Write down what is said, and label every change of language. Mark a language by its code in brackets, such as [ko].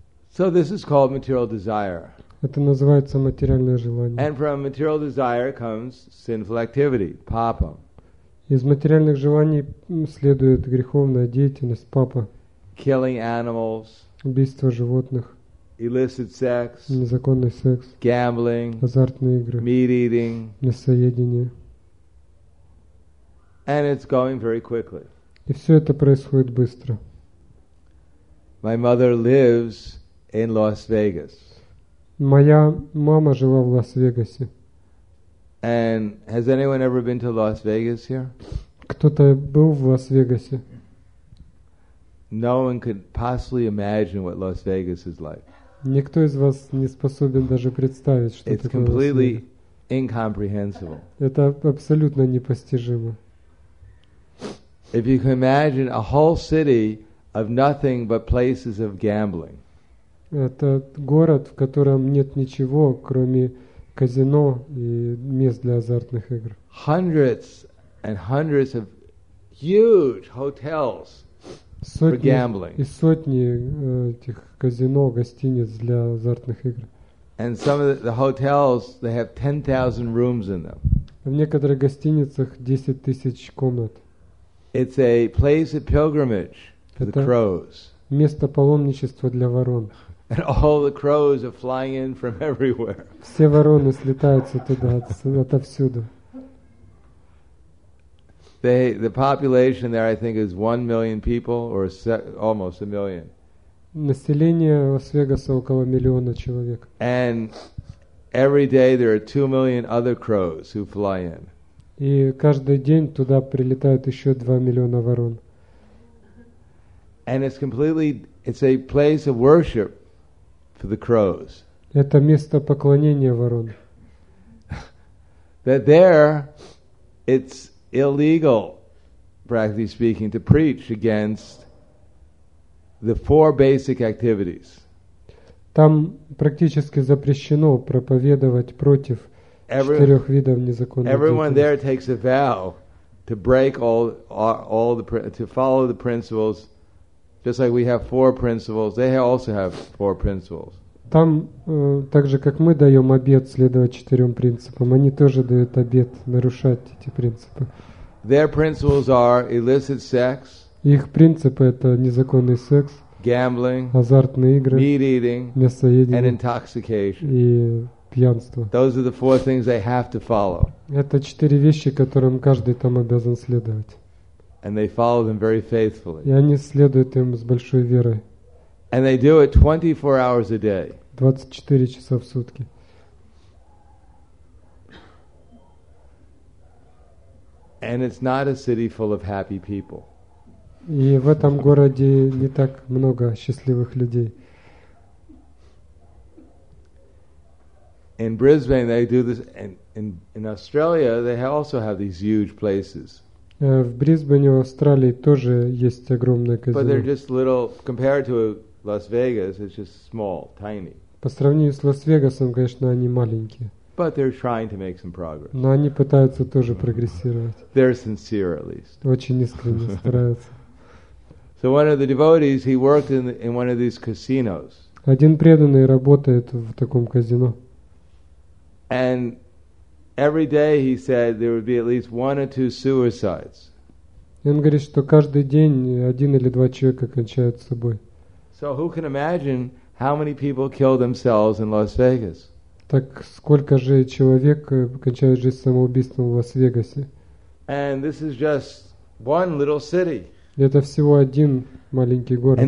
[en] So this is called material desire. [ru] Это называется материальное желание. [en] And from material desire comes sinful activity, papa. [ru] Из материальных желаний следует греховная деятельность, папа. [en] Killing animals. [ru] Убийство животных. [en] Illicit sex. [ru] Незаконный секс. [en] Gambling. [ru] Азартные игры. [en] Meat eating. [ru] Мясоедение. [en] And it's going very quickly. [ru] И все это происходит быстро. [en] My mother lives in Las Vegas. [ru] Моя мама жила в Лас-Вегасе. [en] And has anyone ever been to Las Vegas here? [ru] Кто-то был в Лас-Вегасе? [en] No one could possibly imagine what Las Vegas is like. [ru] Никто из вас не способен даже представить, что такое Лас-Вегас. [en] It's completely incomprehensible. [ru] Это абсолютно непостижимо. [en] If you can imagine a whole city of nothing but places of gambling. [ru] Это город, в котором нет ничего, кроме казино и мест для азартных игр. [en] Hundreds and hundreds of huge hotels for gambling. [ru] И сотни этих казино, гостиниц для азартных игр. [en] And some of the hotels, they have 10,000 rooms in them. [ru] В некоторых гостиницах 10 тысяч комнат. [en] It's a place of pilgrimage for the crows. [ru] Место паломничества для ворон. [en] And all the crows are flying in from everywhere. [ru] Все вороны слетаются туда, отовсюду. [en] The population there, I think, is 1 million people, or almost a million. [ru] Население Лас-Вегаса около миллиона человек. [en] And every day there are 2 million other crows who fly in. [ru] И каждый день туда прилетают еще 2 миллиона ворон. [en] And it's a place of worship. For the crows. [ru] Это место поклонения ворон. [en] That there, it's illegal, practically speaking, to preach against the four basic activities. [ru] Там практически запрещено проповедовать против четырех видов незаконной деятельности. [en] Everyone there takes a vow to break all the to follow the principles. Just like we have four principles, they also have four principles. [ru] Там, так же, как мы даем обет следовать четырем принципам, они тоже дают обет нарушать эти принципы. [en] Their principles are illicit sex, [ru] их принципы – это незаконный секс, [en] gambling, [ru] азартные игры, [en] meat eating, [ru] мясоедение [en] and intoxication. [ru] И пьянство. [en] Those are the four things they have to follow. [ru] Это четыре вещи, которым каждый там обязан следовать. [en] And they follow them very faithfully. [ru] И они следуют им с большой верой. [en] And they do it 24 hours a day. [ru] 24 часа в сутки. [en] And it's not a city full of happy people. [ru] И в этом городе не так много счастливых людей. [en] In Brisbane they do this, and in Australia they also have these huge places. [ru] В Брисбене, в Австралии тоже есть огромное казино. [en] But they're just little compared to Las Vegas. It's just small, tiny. [ru] По сравнению с Лас-Вегасом, конечно, они маленькие. [en] But they're trying to make some progress. [ru] Но они пытаются тоже прогрессировать. [en] They're sincere, at least. [ru] Очень искренне стараются. [en] So one of the devotees, he worked in one of these casinos. [ru] Один преданный работает в таком казино. [en] And every day he said there would be at least one or two suicides. [ru] И он говорит, что каждый день один или два человека кончают собой. [en] So who can imagine how many people kill themselves in Las Vegas? [ru] Так сколько же человек кончает жизнь самоубийством в Лас-Вегасе? [en] And this is just one little city. [ru] Это всего один маленький город.